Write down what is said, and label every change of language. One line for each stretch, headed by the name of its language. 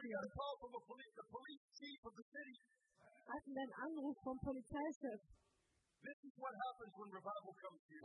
English: We got a call from the police chief of the city.
German: Hatten einen Anruf vom Polizeichef.
English: This is what happens when revival comes here.